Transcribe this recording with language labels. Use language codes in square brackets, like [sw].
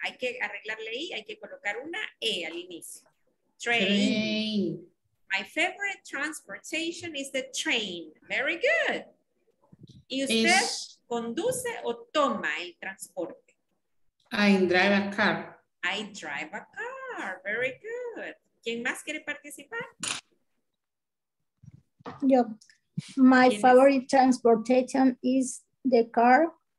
[es] Hay que arreglarle ahí, hay que colocar una E al inicio. [en] Train. My favorite transportation is the train. Very good. [es] ¿Y usted conduce o toma el transporte? [en] I drive a car. I drive a car. Very good. [es] ¿Quién más quiere participar? Yo. [en] My favorite transportation is the car.